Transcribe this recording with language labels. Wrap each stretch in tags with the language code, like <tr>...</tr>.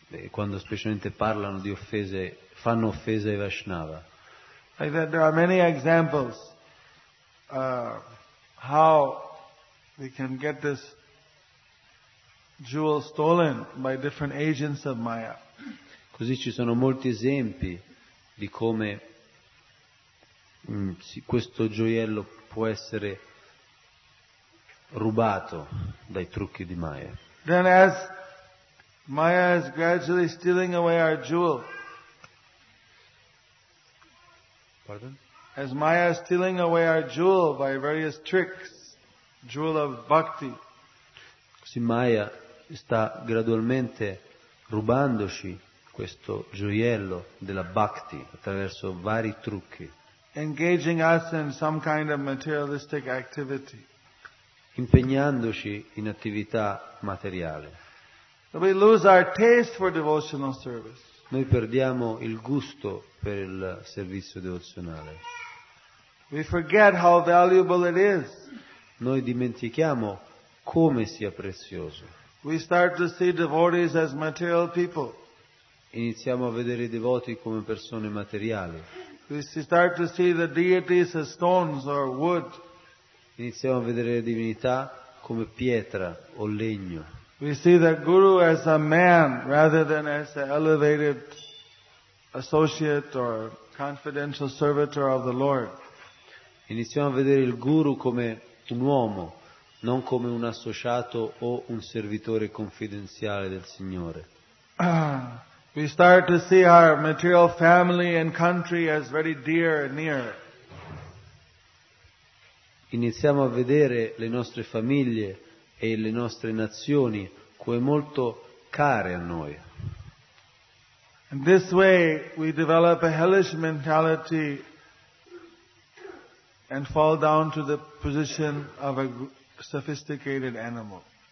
<it>Quando specialmente parlano di offese, fanno offese ai Vaishnava.</it> <en>Like that, there are many examples how we can get this jewel stolen by different agents of Maya.</en> <it>Così ci sono molti esempi di come questo gioiello può essere rubato dai trucchi di Maya.</it> <en>Then as Maya is gradually stealing away our jewel. Pardon? As Maya is stealing away our jewel by various tricks, jewel of bhakti.</en> <it>Così Maya sta gradualmente rubandoci questo gioiello della bhakti attraverso vari trucchi.</it> <en>Engaging us in some kind of materialistic activity.</en> <it>Impegnandoci in attività materiale.</it> <en>We lose our taste for devotional service.</en> <it>Noi perdiamo il gusto per il servizio devozionale.</it> <en>We forget how valuable it is.</en> <it>Noi dimentichiamo come sia prezioso.</it> <en>We start to see devotees as material people.</en> <it>Iniziamo a vedere i devoti come persone materiali.</it> <en>We start to see the deities as stones or wood.</en> <it>Iniziamo a vedere le divinità come pietra o legno.</it> <en>We see the guru as a man rather than as an elevated associate or confidential servitor of the Lord.</en> <it>Iniziamo a vedere il guru come un uomo, non come un associato o un servitore confidenziale del Signore.</it> <en>We start to see our material family and country as very dear and near.</en> <it>Iniziamo a vedere le nostre famiglie e le nostre nazioni come molto care a noi.</it> <en>In this way we develop a hellish mentality and fall down to the position of a sophisticated animal.</en>